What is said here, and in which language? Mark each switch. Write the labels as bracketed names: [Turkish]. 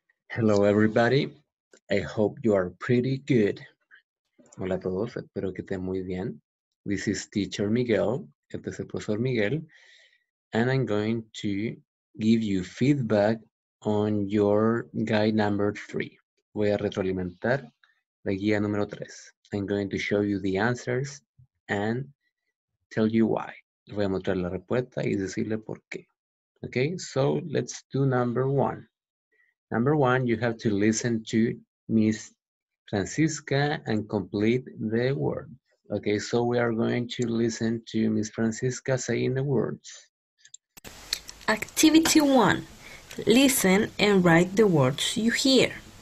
[English] Hello everybody, I hope you are pretty good. [Spanish] Hola a todos, espero que estén muy bien. [English] This is Teacher Miguel, [Spanish] este es el profesor Miguel, [English] and I'm going to give you feedback on your guide number 3. [Spanish] Voy a retroalimentar la guía número 3. [English] I'm going to show you the answers and tell you why. [Spanish] Voy a mostrar la respuesta y decirle por qué. [English] Okay, so let's do number 1. Number 1, you have to listen to Miss Francisca and complete the words. Okay, so we are going to listen to Miss Francisca saying the words. Activity 1, listen and write the words you hear.